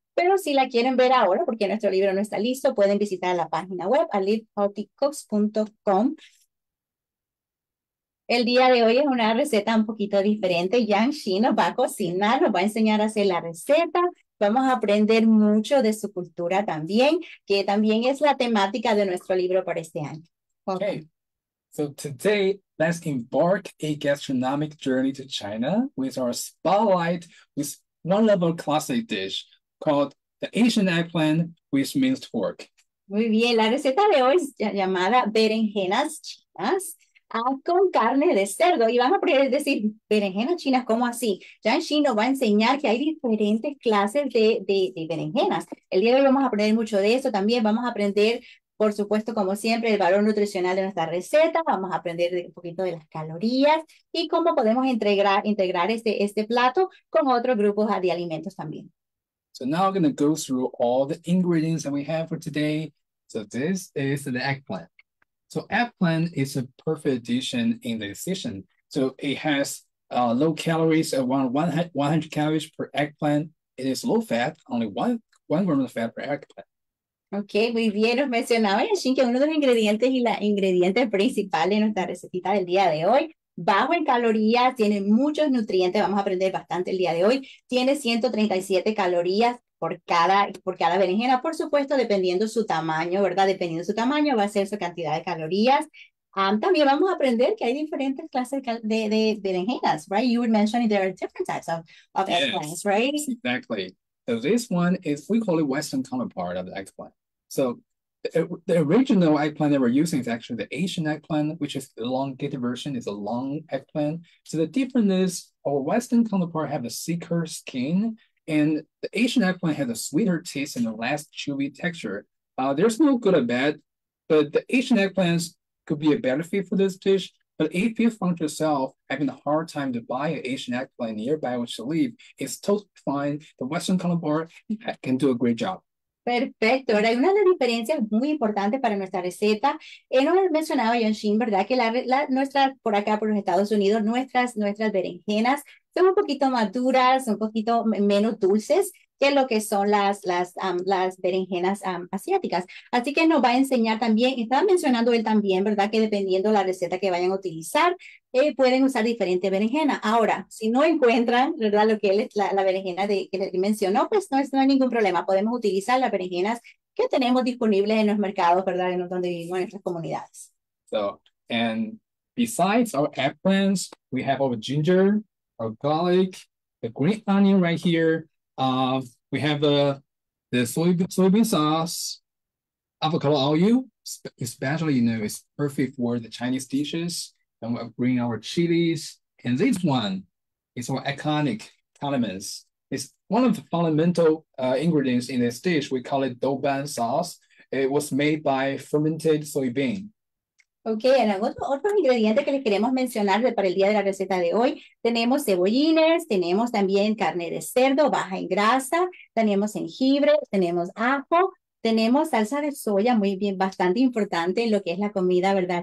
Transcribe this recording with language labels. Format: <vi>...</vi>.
<es>Pero si la quieren ver ahora, porque nuestro libro no está listo, pueden visitar la página web, alivehealthycooks.com. El día de hoy es una receta un poquito diferente. Yanshin nos va a cocinar, nos va a enseñar a hacer la receta. Vamos a aprender mucho de su cultura también, que también es la temática de nuestro libro para este año.</es> <en>Welcome. Okay, so today let's embark a gastronomic journey to China with our spotlight with one level classic dish called the Asian eggplant with minced pork.</en> <es>Muy bien, la receta de hoy es llamada berenjenas chinas. Con carne de cerdo. Y vamos a decir, berenjenas chinas, ¿cómo así? Yanshin nos va a enseñar que hay diferentes clases de berenjenas. El día de hoy vamos a aprender mucho de eso. También vamos a aprender, por supuesto, como siempre, el valor nutricional de nuestra receta. Vamos a aprender un poquito de las calorías y cómo podemos integrar este plato con otros grupos de alimentos también.</es> <en>So now I'm going to go through all the ingredients that we have for today. So this is the eggplant. So eggplant is a perfect addition in the season. So it has low calories, around 100 calories per eggplant. It is low fat, only 1 gram of fat per eggplant.</en> <es>Ok, muy bien, nos mencionaba Yashin que uno de los ingredientes y la ingrediente principal de nuestra recetita del día de hoy, bajo en calorías, tiene muchos nutrientes, vamos a aprender bastante el día de hoy, tiene 137 calorías por cada berenjena, por supuesto, dependiendo su tamaño, ¿verdad? Dependiendo su tamaño va a ser su cantidad de calorías. También vamos a aprender que hay diferentes clases de berenjenas, right?</es> <en>You were mentioning there are different types of Yes, eggplants, right? exactly. So this one is, we call it Western counterpart of the eggplant. So the original eggplant that we're using is actually the Asian eggplant, which is the elongated version, is a long eggplant. So the difference is our Western counterpart have a thicker skin, and the Asian eggplant has a sweeter taste and a less chewy texture. There's no good or bad, but the Asian eggplants could be a better fit for this dish. But if you found yourself having a hard time to buy an Asian eggplant nearby which to leave, it's totally fine. The Western counterpart can do a great job.</en> <es>Perfecto, ahora hay una de las diferencias muy importantes para nuestra receta. Él mencionaba, Yanshin, ¿verdad? Que por acá, por los Estados Unidos, nuestras berenjenas son un poquito más duras, un poquito menos dulces que lo que son las berenjenas asiáticas. Así que nos va a enseñar también, estaba mencionando él también, ¿verdad? Que dependiendo la receta que vayan a utilizar, pueden usar diferente berenjena. Ahora, si no encuentran, ¿verdad? Lo que es la berenjena que mencionó, pues no hay ningún problema. Podemos utilizar las berenjenas que tenemos disponibles en los mercados, ¿verdad? En donde vivimos, en nuestras comunidades.</es> <en>So, and besides our eggplants, we have our ginger, our garlic, the green onion right here. We have the soybean sauce, avocado oil, especially, it's perfect for the Chinese dishes. And we'll bring our chilies. And this one is our iconic condiments. It's one of the fundamental ingredients in this dish. We call it douban sauce. It was made by fermented soybean.</en> <es>Ok, en otros ingredientes que les queremos mencionar para el día de la receta de hoy, tenemos cebollines, tenemos también carne de cerdo baja en grasa, tenemos jengibre, tenemos ajo, tenemos salsa de soya, muy bien, bastante importante en lo que es la comida, ¿verdad?</es>